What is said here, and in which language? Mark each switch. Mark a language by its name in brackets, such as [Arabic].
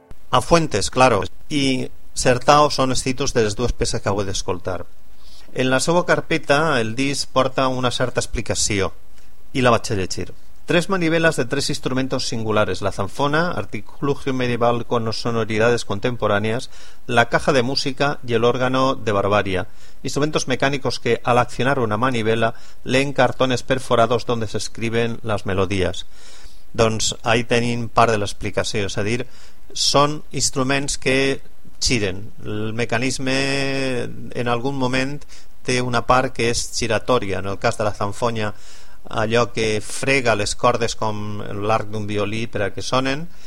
[Spanish] A Fuentes, claro. [Catalan] I Sertao són els títols de les dues peces que heu d'escoltar. En la seva carpeta el disc porta una certa explicació i la vaig a llegir. [Spanish] Tres manivelas de tres instrumentos singulares: la zanfona, artilugio medieval con sonoridades contemporáneas, la caja de música y el órgano de barbaria. Instrumentos mecánicos que, al accionar una manivela, leen cartones perforados donde se escriben las melodías. [Catalan] Doncs ahí tenim part de l'explicació, és a dir, són instruments que giren. El mecanisme en algun moment té una part que és giratòria. En el cas de la zanfona, allò que frega les cordes com l'arc d'un violí per a que sonen.